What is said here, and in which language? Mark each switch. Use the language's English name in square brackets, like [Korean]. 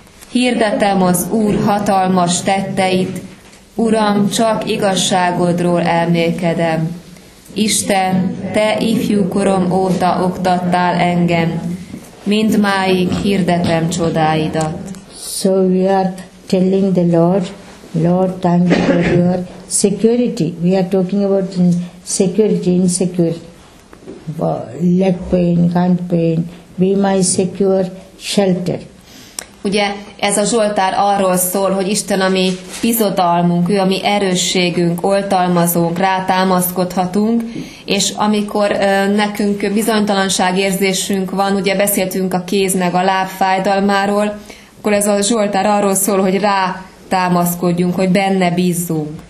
[Hungarian] Hirdetem az Úr hatalmas tetteit, Uram, csak igazságodról emlékedem. Isten, Te ifjúkorom óta oktattál engem, mindmáig hirdetem csodáidat. [English] So we are telling the Lord, Lord, thank you for your security. We are talking about security, insecurity, leg pain, hand pain, be my secure shelter. [Hungarian] Ugye ez a Zsoltár arról szól, hogy Isten a mi bizodalmunk, ő a mi erősségünk, oltalmazunk, rátámaszkodhatunk, és amikor nekünk bizonytalanság érzésünk van, ugye beszéltünk a kéz meg a láb fájdalmáról, akkor ez a Zsoltár arról szól, hogy rátámaszkodjunk, hogy benne bízzunk.